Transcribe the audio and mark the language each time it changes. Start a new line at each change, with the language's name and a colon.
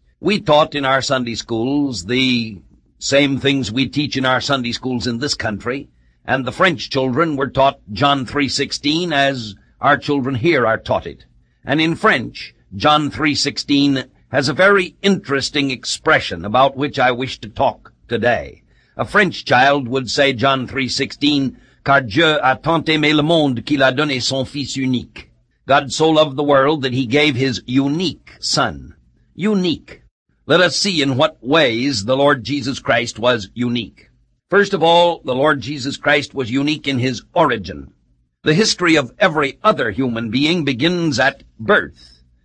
English: We taught in our Sunday schools the same things we teach in our Sunday schools in this country, and the French children were taught John 3:16 as our children here are taught it. And in French, John 3:16 has a very interesting expression about which I wish to talk today. A French child would say John 3:16,
French: car Dieu a tant aimé le monde qu'il a donné son fils unique.
English: God so loved the world that he gave his unique son. Unique. Let us see in what ways the Lord Jesus Christ was unique. First of all, the Lord Jesus Christ was unique in his origin. The history of every other human being begins at birth.